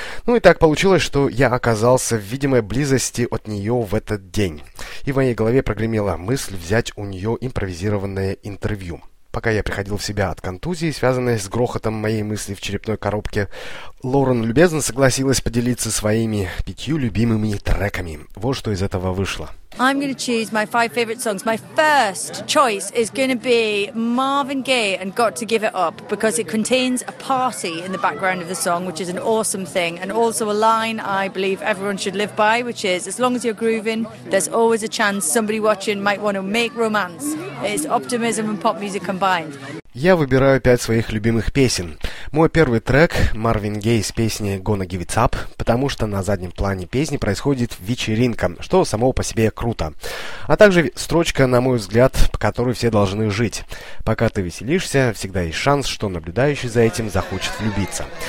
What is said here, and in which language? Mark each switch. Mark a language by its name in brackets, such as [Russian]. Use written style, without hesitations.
[Russian] Ну и так получилось, что я оказался в видимой близости от нее в этот день. И в моей голове прогремела мысль взять у нее импровизированное интервью. Пока я приходил в себя от контузии, связанной с грохотом моей мысли в черепной коробке, Лорен любезно согласилась поделиться своими 5 любимыми треками. Вот что из этого вышло. [English] I'm going to choose my 5 favorite songs. My first choice is going to be Marvin Gaye and Got to Give It Up, because it contains a party in the background of the song, which is an awesome thing, and also a line I believe everyone should live by, which is, as long as you're grooving, there's always a chance somebody watching might want to make romance. It's optimism and pop music combined. [Russian] Я выбираю 5 своих любимых песен. Мой первый трек – Marvin Gaye с песней «Gonna Give It Up», потому что на заднем плане песни происходит вечеринка, что само по себе круто. А также строчка, на мой взгляд, по которой все должны жить. Пока ты веселишься, всегда есть шанс, что наблюдающий за этим захочет влюбиться.